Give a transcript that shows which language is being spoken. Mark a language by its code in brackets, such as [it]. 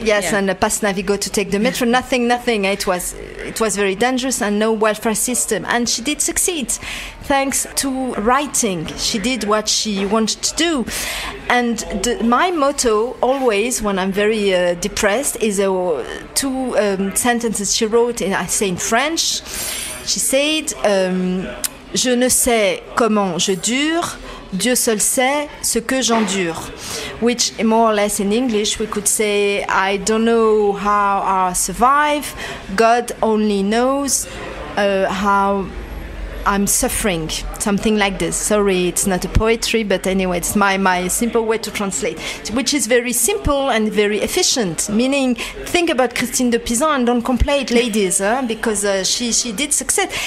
[en] Yes, yeah. And a pass navigo to take the metro, nothing. It was very dangerous and no welfare system. And she did succeed, thanks to writing. She did what she wanted to do. And my motto always, when I'm very depressed, is two sentences she wrote in, I say in French. She said, [fr] je ne sais comment je dure, Dieu seul sait ce que j'endure. [en] Which, more or less in English, we could say, I don't know how I survive, God only knows how I'm suffering, something like this. Sorry, it's not a poetry, but anyway, it's my simple way to translate, which is very simple and very efficient, meaning think about Christine de Pisan and don't complain, ladies, because she did succeed.